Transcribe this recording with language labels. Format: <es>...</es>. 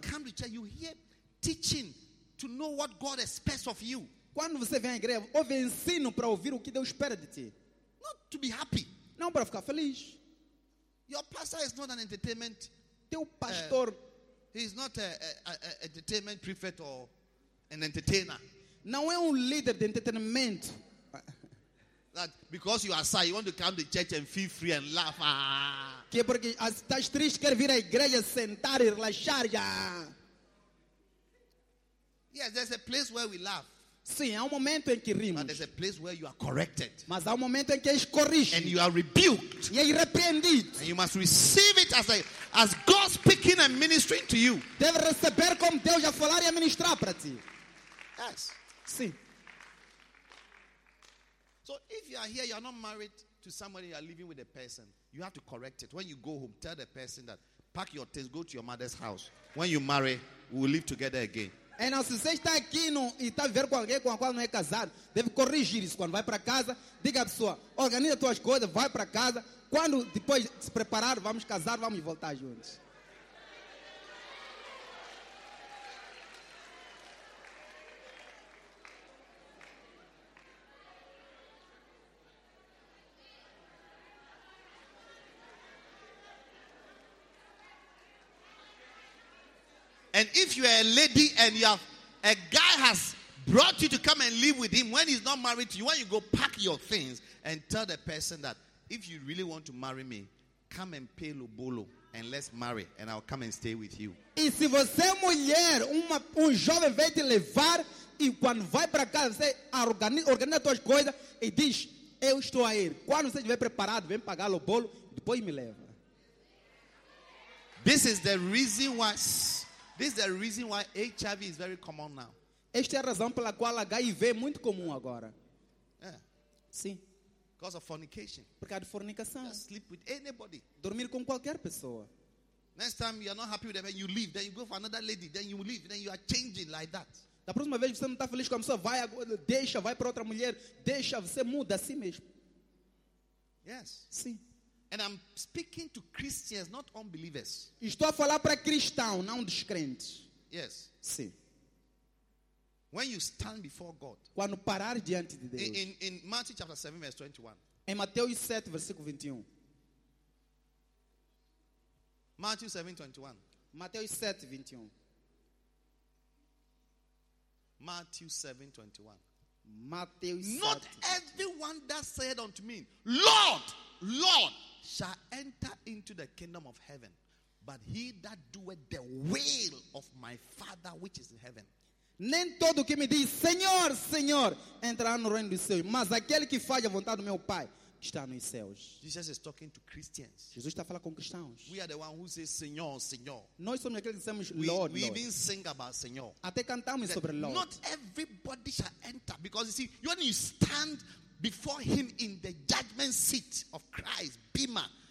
<en>When you come to church, you hear teaching to know what God expects of you.</en> <pt>Quando você vem à igreja, ouve ensino para ouvir o que Deus espera de ti.</pt> <en>Not to be happy.</en> <pt>Não para ficar feliz.</pt> <en>Your pastor is not an entertainment.</en> <pt>Teu pastor.</pt> <en>He is not an entertainment prophet or an entertainer.</en> <pt>Não é líder de entretenimento.</pt> <en>That because you are sad, you want to come to church and feel free and laugh.</en> <pt>Que porque estás triste, quer vir à igreja sentar e relaxar já.</pt> <en>Yes, there's a place where we laugh.</en> <pt>Sim, há momento em que rimos.</pt> <en>But there's a place where you are corrected.</en> <pt>Mas há momento em que és corrigido.</pt> <en>And you are rebuked.</en> <pt>E é repreendido.</pt> <en>And you must receive it as God speaking and ministering to you.</en> <pt>Deve receber como Deus a falar e a ministrar para ti.</pt> <en>Yes.</en> <pt>Sim.</pt> <en>So if you are here, you are not married to somebody, you are living with a person, you have to correct it. When you go home, tell the person that, pack your things, go to your mother's house. When you marry, we will live together again.</en> <pt>E não, se você está aqui e está a viver com alguém com a qual não é casado, deve corrigir isso. Quando vai para casa, diga à pessoa, organiza as tuas coisas, vai para casa. Quando depois se preparar, vamos casar, vamos voltar juntos.</pt> <en>And if you are a lady and a guy has brought you to come and live with him when he's not married to you, when you go pack your things and tell the person that if you really want to marry me, come and pay lobolo and let's marry and I'll come and stay with you.</en> <pt>E se você é mulher, jovem vem te levar e quando vai para casa, você organiza suas coisas e diz, eu estou aí. Quando você estiver preparado, vem pagar lobolo, depois me leva.</pt> <en>This is the reason why... This is the reason why HIV is very common now.</en> <pt>Esta é a razão pela qual HIV é muito comum agora.</pt> <en>Yeah.</en> <pt>Sim.</pt> <en>Because of fornication.</en> <pt>Por causa de fornicação.</pt> <en>Just sleep with anybody.</en> <pt>Dormir com qualquer pessoa.</pt> <en>Next time you are not happy with them, you leave. Then you go for another lady. Then you leave. Then you are changing like that.</en> <pt>Da próxima vez você não está feliz com a pessoa, vai agora, deixa, vai para outra mulher, deixa, você muda assim mesmo.</pt> <en>Yes.</en> <pt>Sim.</pt> <en>And I'm speaking to Christians, not unbelievers.</en> <pt>Estou a falar para cristãos, não descrentes.</pt> <en>Yes.</en> <pt>Sim.</pt> <en>When you stand before God.</en> <pt>Quando parar diante de Deus.</pt> <en>In Matthew chapter 7 verse 21.</en> <pt>Em Mateus 7 versículo 21.</pt> <en>Matthew 7 21.</en> <pt>Mateus 7 21.</pt> <en>Matthew 7 21.</en> <pt>Mateus 7.</pt> <en>Not everyone that said unto me, Lord, Lord, shall enter into the kingdom of heaven, but he that doeth the will of my Father which is in heaven.</en> <pt>Nem todo que me diz, Senhor, Senhor, entrará no reino dos céus, mas aquele que faz a vontade do meu Pai que está nos céus.</pt> <en>Jesus is talking to Christians.</en> <pt>Jesus está falando com cristãos.</pt> <en>We are the one who says,</en> <pt>Senhor, Senhor. Nós somos aqueles que dizemos, Lord,</pt> <en>Lord. We even sing about Senhor.</en> <pt>Até cantamos</pt> <en>that</en> <pt>sobre Lord.</pt> <en>Not everybody shall enter, because you see, when you stand before him in the judgment seat of Christ, Bema.</en>